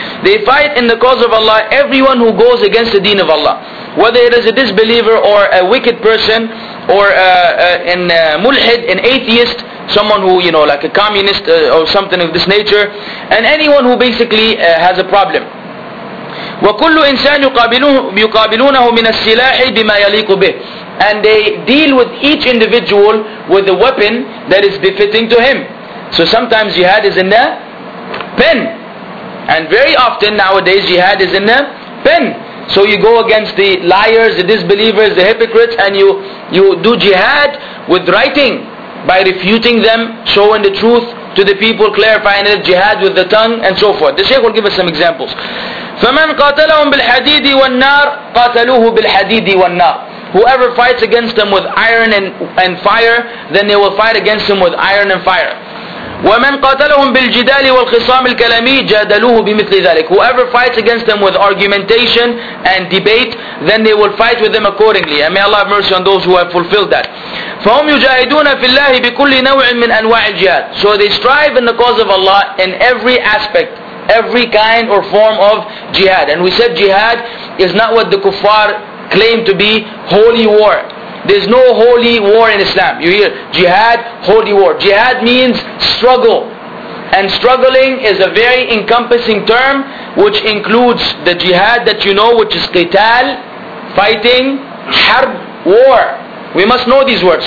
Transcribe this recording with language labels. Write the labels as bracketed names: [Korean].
[English] They fight in the cause of Allah, everyone who goes against the deen of Allah, whether it is a disbeliever or a wicked person or a mulhid, an atheist, someone who, you know, like a communist or something of this nature, and anyone who basically has a problem. [Arabic] وكل إنسان يقابلونه من السلاح بما يليق به. [English] And they deal with each individual with a weapon that is befitting to him. So sometimes jihad is in the pen. And very often nowadays jihad is in the pen. So you go against the liars, the disbelievers, the hypocrites, and you do jihad with writing, by refuting them, showing the truth to the people, clarifying it, jihad with the tongue, and so forth. The Shaykh will give us some examples. [Arabic] فَمَنْ قَاتَلَهُمْ بِالْحَدِيدِ وَالنَّارِ قَاتَلُوهُ بِالْحَدِيدِ وَالنَّارِ. [English] Whoever fights against them with iron and fire, then they will fight against them with iron and fire. [Arabic] ومن قاتلهم بالجدال والخصام الكلامي جادلوه بمثل ذلك. [English] Whoever fights against them with argumentation and debate, then they will fight with them accordingly. And may Allah have mercy on those who have fulfilled that. [Arabic] فهم يجاهدون في الله بكل نوع من أنواع الجهاد. [English] So they strive in the cause of Allah in every aspect, every kind or form of jihad. And we said jihad is not what the kuffar claim to be, holy war. There's no holy war in Islam. You hear jihad, holy war. Jihad means struggle. And struggling is a very encompassing term which includes the jihad that you know, which is qital, fighting, harb, war. We must know these words.